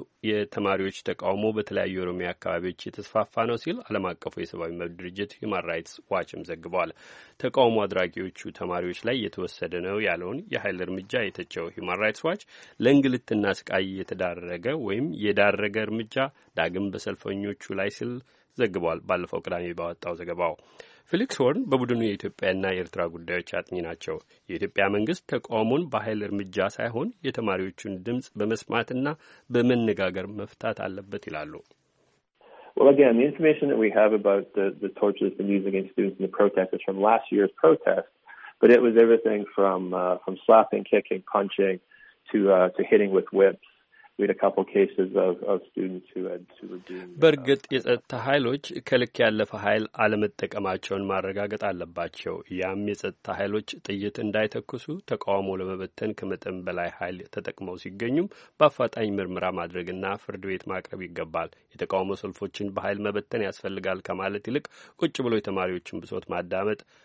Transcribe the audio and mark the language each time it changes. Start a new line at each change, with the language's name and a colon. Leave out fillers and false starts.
Amharic: የተማሪዎች ተቃውሞ በተለያዩ የኦሮሚያ አካባቢዎች የተስፋፋ ነው ሲል ዓለም አቀፉ የሰብአዊ መብት ድርጅት ሂማን ራይትስ ዋችም ዘግቧል። ተቃውሞ አድራጊዎቹ ተማሪዎች ላይ የተወሰደ ነው ያለውን የኃይል እርምጃ የተቸው ሂማን ራይትስ ዋች ለእንግልትና ስቃይ የተዳረገ ወይም የዳረገ እርምጃ ዳግም በሰልፈኞቹ ላይ ሲል ዘግቧል። ባለፈው ቅዳሜ ባወጣው ዘገባው ፊሊክስ ሆርን በቡድኑ የኢትዮጵያና የኤርትራ ጉዳዮች አጥኚ ናቸው። የኢትዮጵያ መንግስት ተቃውሞን በኃይል እርምጃ ሳይሆን የተማሪዎቹን ድምፅ በመስማትና በመነጋገር መፍታት አለበት ይላሉ።
English: Well, again, the information that we have about the torches being used against students in the protests is from last year's protest, but it was everything from slapping, kicking, punching to hitting with whips.
Amharic: በእርግጥ የጸጥታ ኃይሎች ከልክ ያለፈ ኃይል አለመጠቀማቸውን ማረጋገጥ አለባቸው። ያም የጸጥታ ኃይሎች ጥይት እንዳይተኩሱ ተቃውሞ ለመበተን ከመጠን በላይ ኃይል ተጠቅመው ሲገኙም በአፋጣኝ ምርመራ ማድረግና ፍርድ ቤት ማቅረብ ይገባል። የተቃውሞ ሰልፎችን በኃይል መበተን ያስፈልጋል ከማለት ይልቅ ቁጭ ብሎ የተማሪዎችን ብሶት ማዳመጥ፣